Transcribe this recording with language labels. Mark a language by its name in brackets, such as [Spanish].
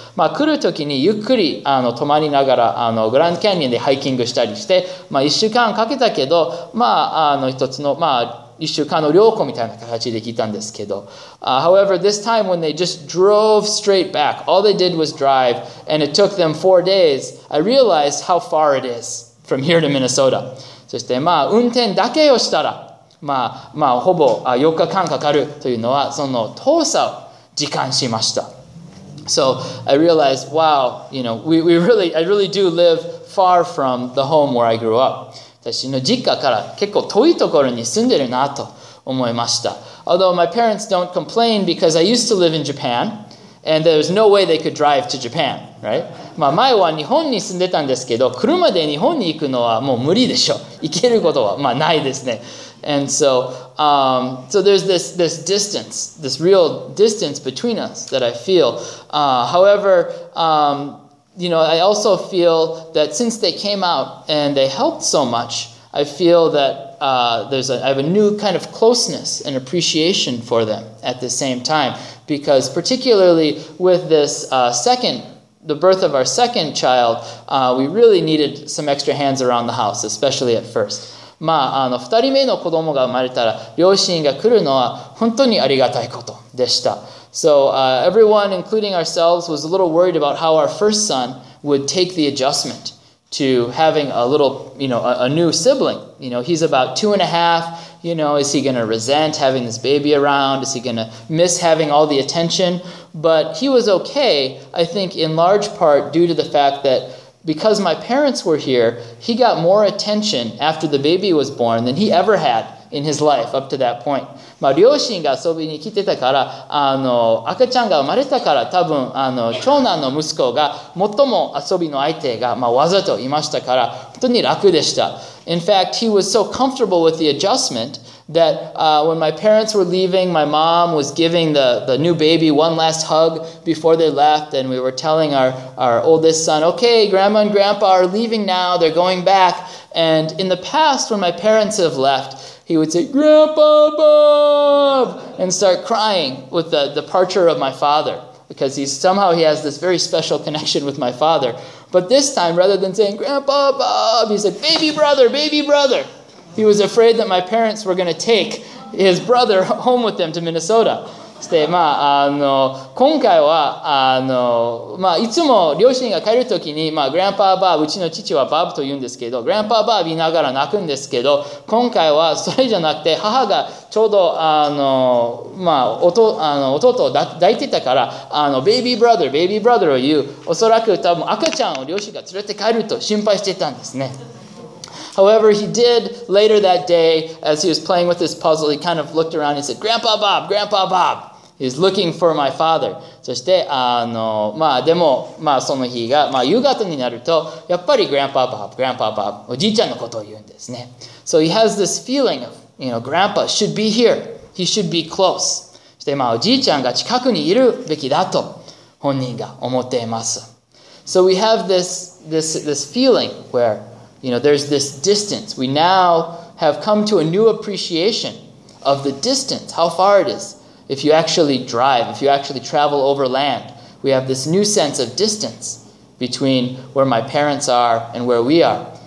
[Japanese] まあ、来る時にゆっくり、泊まりながら、Grand Canyon でハイキングしたりして、まあ、一週間かけたけど、まあ、一つの、まあ、一週間の旅行みたいな形で来たんですけど。 [English] However, this time when they just drove straight back, all they did was drive, and it took them 4 days, I realized how far it is from here to Minnesota. [Japanese] そして、まあ、運転だけをしたら、まあ、まあ、ほぼ4日間かかるというのは、その遠さを実感しました。 [English] So I realized, wow, you know, I really do live far from the home where I grew up. [Japanese] 私の実家から結構遠いところに住んでるなと思いました。 [English] Although my parents don't complain because I used to live in Japan and there's no way they could drive to Japan, right? [Japanese] まあ前は日本に住んでたんですけど、車で日本に行くのはもう無理でしょ。行けることはまあないですね。 [English] And so, so there's this distance, this real distance between us that I feel. However, you know, I also feel that since they came out and they helped so much, I feel that I have a new kind of closeness and appreciation for them at the same time. Because particularly with this the birth of our second child, we really needed some extra hands around the house, especially at first. [Japanese] まあ、2人目の子供が生まれたら、両親が来るのは本当にありがたいことでした。 [English] So, everyone, including ourselves, was a little worried about how our first son would take the adjustment to having a little, you know, a new sibling. You know, he's about 2.5, you know, is he going to resent having this baby around? Is he going to miss having all the attention? But he was okay, I think, in large part due to the fact that because my parents were here, he got more attention after the baby was born than he ever had in his life up to that point. [Japanese] まあ、両親が遊びに来てたから、赤ちゃんが生まれたから、多分、長男の息子が最も遊びの相手が、まあ、わざといましたから、本当に楽でした。 [English] In fact, he was so comfortable with the adjustment that, when my parents were leaving, my mom was giving the new baby one last hug before they left, and we were telling our oldest son, okay, grandma and grandpa are leaving now, they're going back. And in the past, when my parents have left,He would say, Grandpa Bob! And start crying with the departure of my father. Because he has this very special connection with my father. But this time, rather than saying, Grandpa Bob, he said, Baby brother, baby brother! He was afraid that my parents were going to take his brother home with them to Minnesota. [Japanese] して、まあ、今回は、まあ、いつも両親が帰るときに、まあ、Grandpa Bob、うちの父はバブと言うんですけど、Grandpa Bob 言いながら泣くんですけど、今回はそれじゃなくて、母がちょうど、まあ、弟を抱いてたから、 [English] Baby Brother、Baby Brother [Japanese] を言う。おそらく多分赤ちゃんを両親が連れて帰ると心配してたんですね。 [English] However, he did later that day, as he was playing with his puzzle, he kind of looked around and said, Grandpa Bob, Grandpa Bob. He was looking for my father. [Japanese] そして、まあ、でも、まあ、その日が、まあ、夕方になると、やっぱり Grandpa Bob, Grandpa Bob, おじいちゃんのことを言うんですね。 [English] So he has this feeling of, you know, Grandpa should be here. He should be close. [Japanese] そして、まあ、おじいちゃんが近くにいるべきだと、本人が思っています。 [English] So we have this feeling where, you know, there's this distance. We now have come to a new appreciation of the distance, how far it is. If you actually drive, if you actually travel over land, we have this new sense of distance between where my parents are and where we are.